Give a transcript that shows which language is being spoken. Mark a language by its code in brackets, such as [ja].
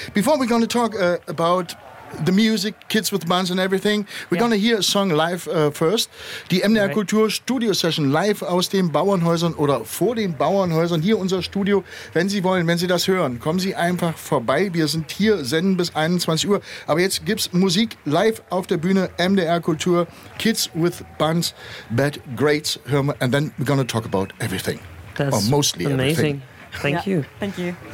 [en] Before we're going to talk about the music, kids with buns and everything, we're going to hear a song live first. [de] Die MDR Kultur Studio Session live aus den Bauernhäusern oder vor den Bauernhäusern. Hier unser Studio. Wenn Sie wollen, wenn Sie das hören, kommen Sie einfach vorbei. Wir sind hier, senden bis 21 Uhr. Aber jetzt gibt's Musik live auf der Bühne. MDR Kultur, Kids with Buns, Bad Grades. Hören wir. [en] And then we're going to talk about everything. That's mostly amazing. Everything. Thank you. Thank you.